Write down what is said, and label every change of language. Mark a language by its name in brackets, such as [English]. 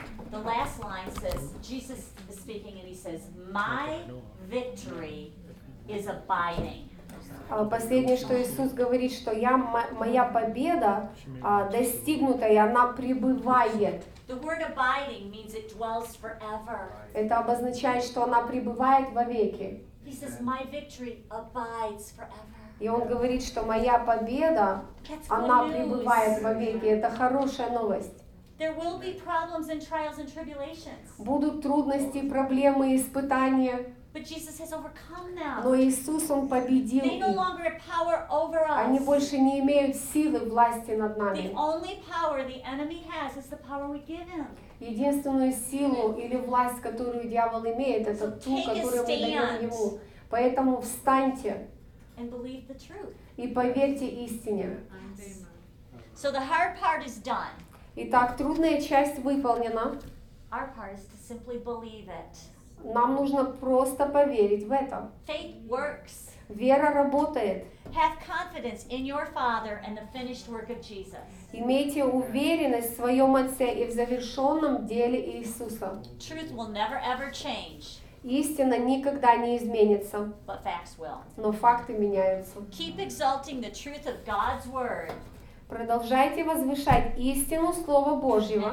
[English] The last line says, Jesus is speaking and he says, my victory is abiding. [Russian] Последнее, что Иисус говорит, что я, моя победа достигнутая, она пребывает. [English] The word abiding means it dwells forever. [Russian] Это обозначает, что она пребывает вовеки. [English] He says, my victory abides forever. [Russian] И он говорит, что моя победа, она пребывает вовеки. Это хорошая новость. [English] There will be problems and trials and tribulations. [Russian] Будут трудности, проблемы, испытания. [English] But Jesus has overcome them. [Russian] Но Иисус, Он победил их. [English] They no longer have power over us. [Russian] Они больше не имеют силы, власти над нами. [English] The only power the enemy has is the power we give him. [Russian] Единственную силу или власть, которую дьявол имеет, это ту, которую мы даем ему. Поэтому встаньте [English] and believe the truth. [Russian] И поверьте истине. [English] So the hard part is done. [Russian] Итак, трудная часть выполнена. [English] Our part is to simply believe it. [Russian] Нам нужно просто поверить в это. [English] Faith works. [Russian] Вера работает. [English] Have confidence in your Father and the finished work of Jesus. [Russian] Имейте уверенность в своем Отце и в завершенном деле Иисуса. [English] Truth will never ever change. [Russian] Истина никогда не изменится. [English] But facts will. [Russian] Но факты меняются. [English] Keep exalting the truth of God's word. [Russian] Продолжайте возвышать истину Слова Божьего.